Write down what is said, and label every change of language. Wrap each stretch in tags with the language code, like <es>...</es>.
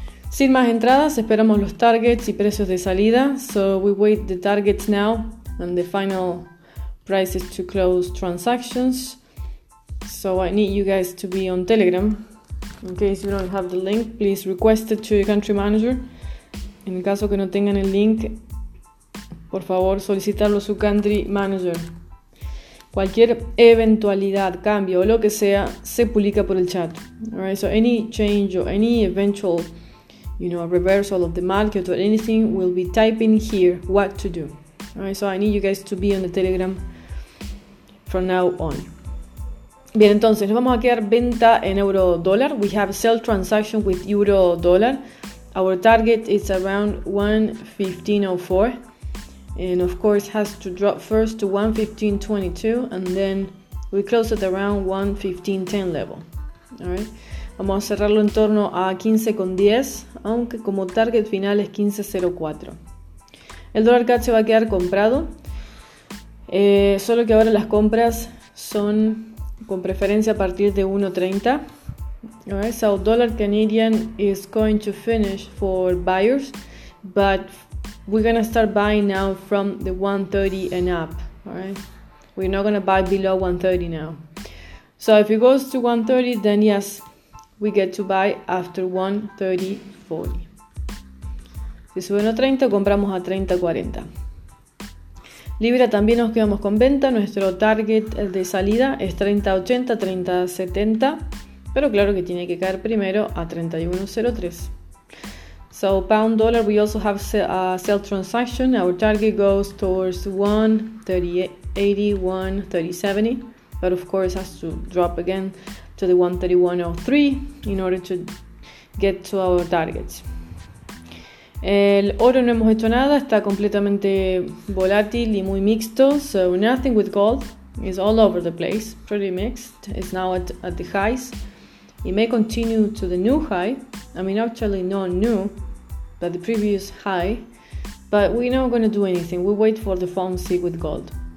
<es>Sin más entradas, esperamos los targets y precios de salida.</es> <en>So we wait the targets now and the final prices to close transactions. So I need you guys to be on Telegram. In case you don't have the link, please request it to your country manager.</en> <es>En el caso que no tengan el link, por favor, solicitarlo a su country manager. Cualquier eventualidad, cambio o lo que sea, se publica por el chat.</es> <en>Alright, so any change or any eventual, you know, reversal of the market or anything will be typing here what to do. Alright, so I need you guys to be on the Telegram from now on.</en> <es>Bien, entonces, nos vamos a quedar venta en euro dólar.</es> <en>We have sell transaction with euro dólar. Our target is around 115.04. And of course has to drop first to 115.22 and then we close at around 115.10 level. Alright.</en> <es>Vamos a cerrarlo en torno a 15.10, aunque como target final es 15.04. El dólar CAD se va a quedar comprado. Solo que ahora las compras son con preferencia a partir de 1.30.</es> <en>Alright, so dollar Canadian is going to finish for buyers, but we're gonna start buying now from the 130 and up. Alright, we're not gonna buy below 130 now. So if it goes to 130, then yes, we get to buy after 130.40.</en> <es>Si sube a 30, compramos a 30.40. Libra también nos quedamos con venta. Nuestro target de salida es 30.80, 30.70. Pero claro que tiene que caer primero a 31.03.</es> <en>So pound dollar, we also have a sell transaction. Our target goes towards 130.80, 130.70. But of course has to drop again to the 131.03 in order to get to our targets.</en> <es>El oro no hemos hecho nada, está completamente volátil y muy mixto.</es> <en>So nothing with gold, it's all over the place, pretty mixed. It's now at the highs. It may continue to the new high, I mean actually not new, but the previous high. But we're not going to do anything, we wait for the FOMC with gold.</en>